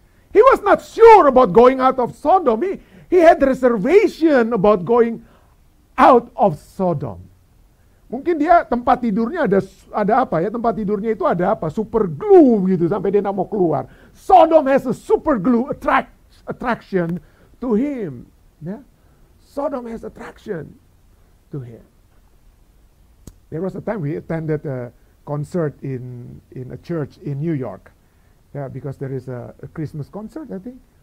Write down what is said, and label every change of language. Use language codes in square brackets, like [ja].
[en] He was not sure about going out of Sodom. He had reservation about going out of Sodom. [id] Mungkin dia tempat tidurnya ada apa ya? Tempat tidurnya itu ada apa? Super glue gitu sampai dia enggak mau keluar. [en] Sodom has a super glue attraction to him. Yeah? Sodom has attraction to him. There was a time we attended a concert in a church in New York. Yeah, because there is a Christmas concert, I think.